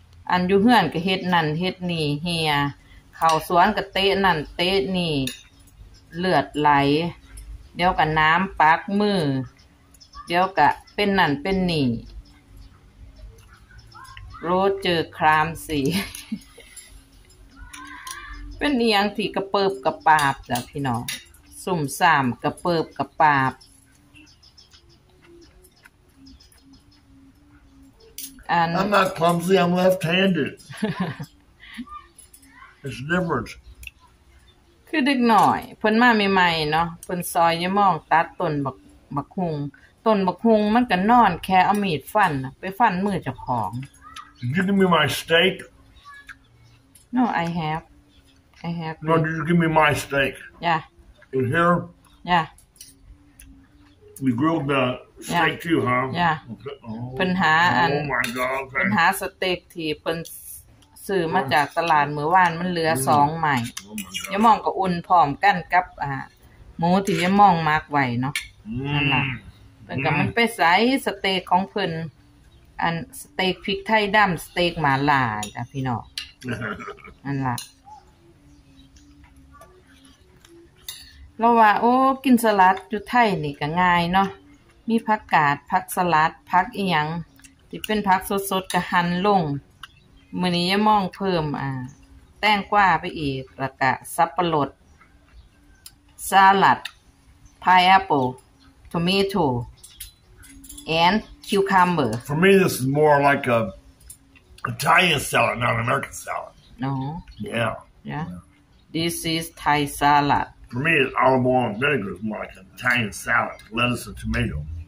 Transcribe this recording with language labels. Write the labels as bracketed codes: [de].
[tts] อันอยู่เฮือนก็เฮ็ดนั่นเฮ็ดนี่เฮียเข้าสวนก็เตะนั่นเตะนี่เลือดไหลเดี๋ยวก็น้ำปักมือเดี๋ยวก็เป็นนั่นเป็นนี่โรดเจอครามสีเป็นเอียงที่กระเปิบกระปาบจ้ะพี่น้องสุ่มสามกระเปิบกระปาบ [en] And I'm not clumsy I'm left-handed It's different [tts] คือเด็กหน่อยเพิ่นมาใหม่ๆเนาะเพิ่นซอยยะมองตัดต้นบักฮุงต้นบักฮุงมันก็นอนแค่เอามีดฟันไปฟันมือเจ้าของ [en] You give me my steak No I have No, did you give me my steak? Yeah. In here? Yeah. We grilled the steak yeah. too, huh? Yeah. [tts] ปัญหาอัน ปัญหาสเต็กที่เพิ่นซื้อมาจากตลาดมื้อวานมันเหลือ2ใหม่ ยะมองก็อุ่นพร้อมกันกับหมูที่ยะมองมักไว้เนาะนั่นน่ะเพิ่นก็มันไปใส่สเต็กของเพิ่นอันสเต็กพริกไทยดำสเต็กหม่าล่าจ้ะพี่น้องนั่นล่ะ เราว่าโอ้กินสลัดอยู่ไทยนี่ก็ง่ายเนาะมีผักกาดผักสลัดผักอีหยังที่เป็นผักสดๆก็หั่นลงมื้อนี้ยะมองเพิ่มแตงกวาไปอีกแล้วก็สับปะรดสลัดพาย [en] แอปเปิ้ลทอมาโต้แอนด์คิวคัมเบอร์ For me this is more like a Italian salad not an American salad No Yeah This is Thai salad For me, olive oil and vinegar is more like an Italian salad, lettuce and tomato.